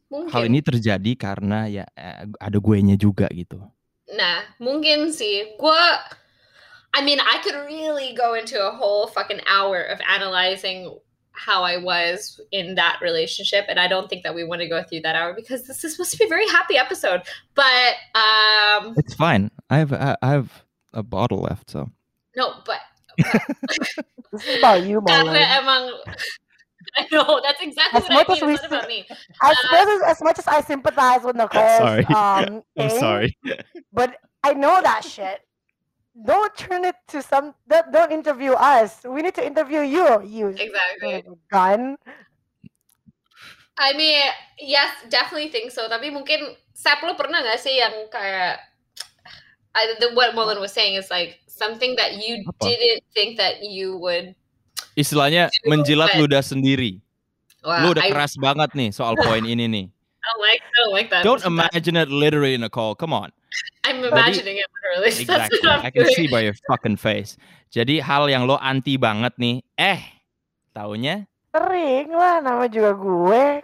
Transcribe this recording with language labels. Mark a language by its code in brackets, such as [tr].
[id] Hal ini terjadi karena ya ada guenya juga gitu. Nah, mungkin sih. [en] I could really go into a whole fucking hour of analyzing how I was in that relationship, and I don't think that we want to go through that hour because this is supposed to be a very happy episode. But it's fine. I have a bottle left, so. No, but about you, Molly. That's exactly what I mean. It's not about me. As much as I sympathize with Nicole. Sorry. I'm sorry. But I know that shit. Don't turn it to some. Don't interview us. We need to interview you. Exactly. Gun. I mean, yes, definitely think so. [id] Tapi mungkin Sap, lo pernah nggak sih yang kayak [en] what Mullen was saying is like something that you didn't think that you would. [id] Istilahnya menjilat ludah sendiri. Wow, lu udah keras banget nih soal poin ini nih. [en] I don't like that. Don't imagine it literally, Nicole. Come on. I'm imagining it literally. Exactly. I can see by your fucking face. [id] Jadi hal yang lo anti banget nih. Eh, taunya? Sering lah, nama juga gue.